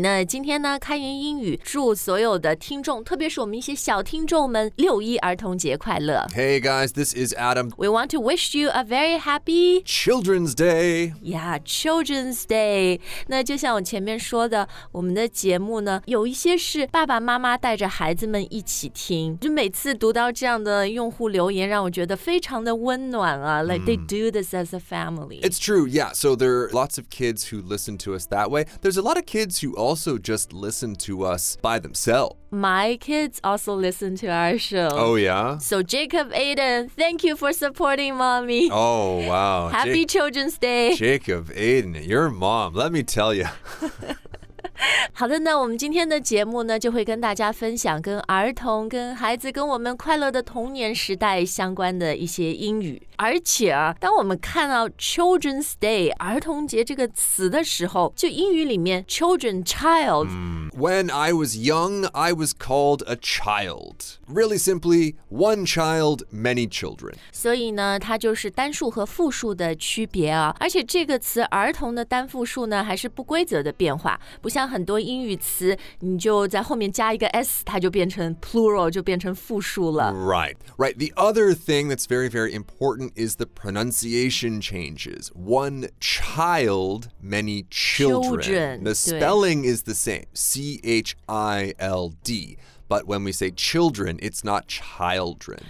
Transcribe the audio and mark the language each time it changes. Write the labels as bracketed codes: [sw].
[zh] 那今天呢，开言英语祝所有的听众，特别是我们一些小听众们，六一儿童节快乐。 [en] Hey guys, this is Adam. We want to wish you a very happy Children's Day. Yeah, Children's Day. [zh] 那就像我前面说的，我们的节目呢，有一些是爸爸妈妈带着孩子们一起听，就每次读到这样的用户留言，让我觉得非常的温暖啊。 [en] Like they do this as a family. It's true, yeah. So there are lots of kids who listen to us that way. There's a lot of kids who also just listen to us by themselves. My kids also listen to our show. Oh, yeah? So Jacob, Aiden, thank you for supporting mommy. Oh, wow. Happy Children's Day. Jacob, Aiden, your mom, let me tell you. [zh] 好的，那我们今天的节目呢，就会跟大家分享跟儿童、跟孩子、跟我们快乐的童年时代相关的一些英语。而且啊，当我们看到 Children's Day 儿童节这个词的时候，就英语里面 children child。 [en] When I was young, I was called a child. Really simply, one child, many children. [zh] 所以呢，它就是单数和复数的区别啊。而且这个词儿童的单复数呢，还是不规则的变化，不像很多英语词，你就在后面加一个 s， 它就变成 plural， 就变成复数了。 [en] Right, right. The other thing that's very, very important is the pronunciation changes. One child, many children. Children, the spelling is the same. C-H-I-L-D. But when we say children, it's not children.